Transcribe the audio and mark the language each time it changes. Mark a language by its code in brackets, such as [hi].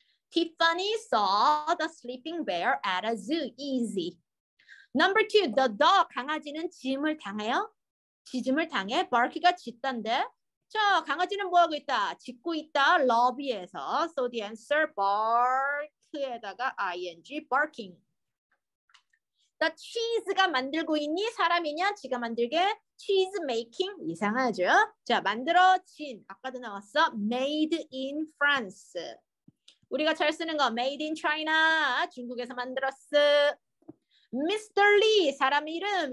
[en] Tiffany saw the sleeping bear at a zoo. Easy. Number two, the dog. [ko] 강아지는 짖음을 당해요? 짖음을 당해? barky가 짖던데? 자, 강아지는 뭐하고 있다? 짖고 있다? 러비에서. [en] So the answer, bark. [ko] 에다가 ing barking. The cheese가 만들고 있니? 사람이냐? 지가 만들게? Cheese making? 이상하죠? 자, 만들어진. 아까도 나왔어. [en] Made in France. [ko] 우리가 잘 쓰는 거. [en] Made in China. [ko] 중국에서 만들었어. Mr. Lee. 사람 이름.